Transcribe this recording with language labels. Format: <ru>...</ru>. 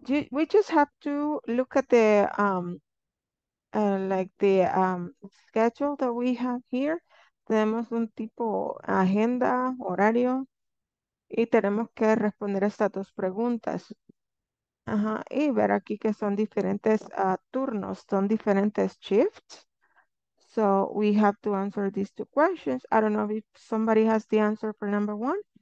<en>We just have to look at the like the schedule that we have here.</en> <es>Tenemos un tipo agenda, horario, y tenemos que responder estas dos preguntas. Ajá, y ver aquí que son diferentes turnos, son diferentes shifts.</es> <en>So we have to answer these two questions. I don't know if somebody has the answer for number one.</en>